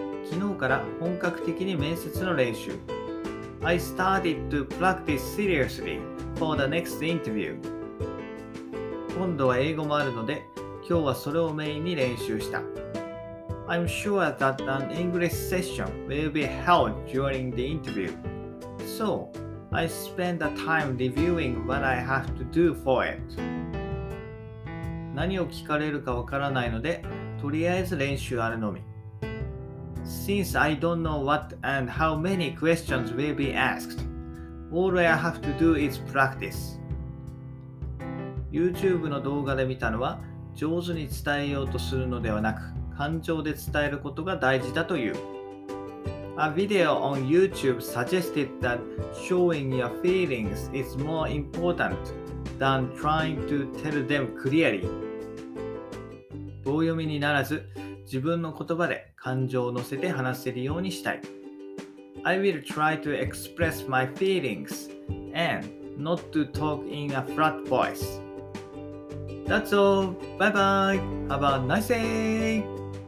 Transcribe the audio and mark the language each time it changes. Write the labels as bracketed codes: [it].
[ja] 昨日から本格的に面接の練習。 [en] I started to practice seriously for the next interview. [ja] 今度は英語もあるので、今日はそれをメインに練習した。 [en] I'm sure that an English session will be held during the interview. So, I spend the time reviewing what I have to do for it. [ja] 何を聞かれるかわからないので、とりあえず練習あるのみ。 [en] Since I don't know what and how many questions will be asked, all I have to do is practice. [ja] YouTube の動画で見たのは、上手に伝えようとするのではなく、感情で伝えることが大事だという。 [en] A video on YouTube suggested that showing your feelings is more important than trying to tell them clearly. [ja] 棒読みにならず、自分の言葉で感情を乗せて話せるようにしたい。 [en] I will try to express my feelings and not to talk in a flat voice. That's all. Bye bye. Have a nice day.